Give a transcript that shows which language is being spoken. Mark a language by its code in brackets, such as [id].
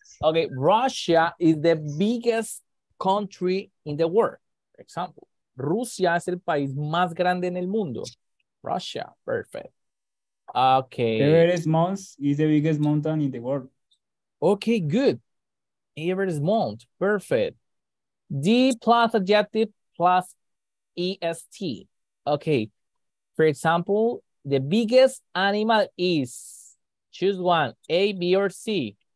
[en] Okay, Russia is the biggest country in the world. For example, [es] Rusia es el país más grande en el mundo. [en] Russia, perfect. Okay. Everest Mount is the biggest mountain in the world. Okay, good. Everest Mount, perfect. D plus adjective plus EST. Okay. For example, the biggest animal is, choose one, A, B, or C.